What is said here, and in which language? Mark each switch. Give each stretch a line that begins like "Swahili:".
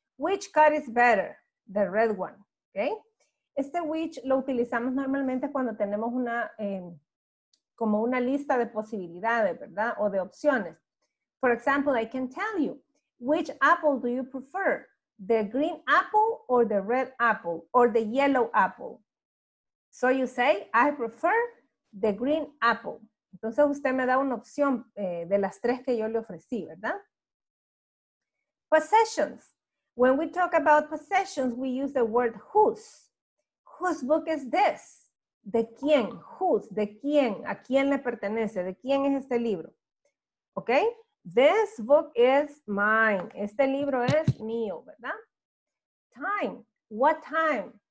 English: Which car is better? The red one. Okay?
Spanish: Este which lo utilizamos normalmente cuando tenemos una como una lista de posibilidades, ¿verdad? O de opciones.
English: For example, I can tell you, which apple do you prefer? The green apple or the red apple or the yellow apple? So you say, I prefer the green apple.
Spanish: Entonces usted me da una opción de las tres que yo le ofrecí, ¿verdad?
English: Possessions. When we talk about possessions, we use the word whose. Whose book is this?
Spanish: ¿De quién?
English: Whose? ¿De quién?
Spanish: ¿A quién le pertenece? ¿De quién es este libro? ¿Ok?
English: This book is mine.
Spanish: Este libro es mío, ¿verdad?
English: Time. What time?